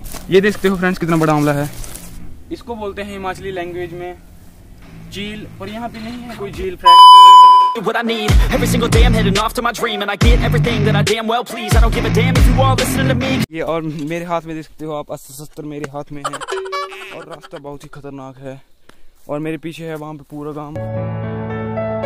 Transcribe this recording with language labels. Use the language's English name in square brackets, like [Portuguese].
[Hindi] ये देखते हो फ्रेंड्स कितना बड़ा आंवला है। इसको बोलते हैं हिमाचली लैंग्वेज में झील, और यहाँ पे नहीं है कोई झील। [English] What I need, every single day I'm heading off to my dream, and I get everything that I damn well please. I don't give a damn if you all listening to me. [Hindi] ये और मेरे हाथ में देख सकते हो आप, 80-70 मेरे हाथ में है, और रास्ता बहुत ही खतरनाक है, और मेरे पीछे है वहाँ पे पूरा गांव।